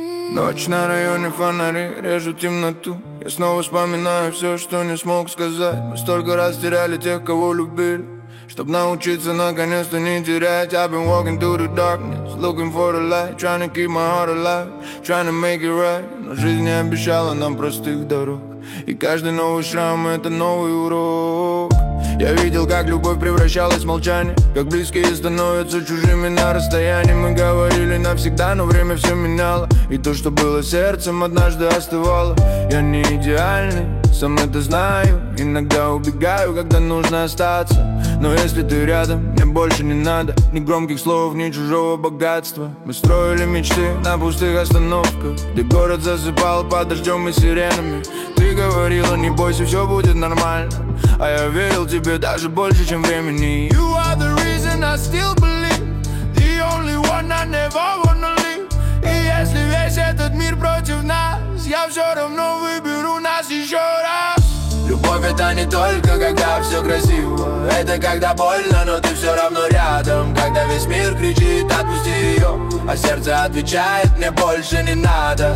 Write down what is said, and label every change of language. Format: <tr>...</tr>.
<ru>Ночь на районе фонари, режу темноту. Я снова вспоминаю все, что не смог сказать. Мы столько раз теряли тех, кого любили. Чтоб научиться наконец-то не терять.</ru> <en>I've been walking through the darkness, looking for the light. Trying to keep my heart alive, trying to make it right.</en> <ru>Но жизнь не обещала нам простых дорог. И каждый новый шрам — это новый урок. Я видел, как любовь превращалась в молчание. Как близкие становятся чужими на расстоянии. Мы говорили навсегда, но время все меняло. И то, что было сердцем, однажды остывало. Я не идеальный, сам это знаю. Иногда убегаю, когда нужно остаться. Но если ты рядом, мне больше не надо ни громких слов, ни чужого богатства. Мы строили мечты на пустых остановках, где город засыпал под дождем и сиренами. Ты говорила, не бойся, все будет нормально. А я верил тебе даже больше, чем времени.</ru> <en>You are the reason I still believe. The only one I never wanna leave.</en> <ru>И если весь этот мир против нас, я все равно выберу нас еще раз. Любовь — это не только когда все красиво. Это когда больно, но ты все равно рядом. Когда весь мир кричит, отпусти ее. А сердце отвечает, мне больше не надо.</ru>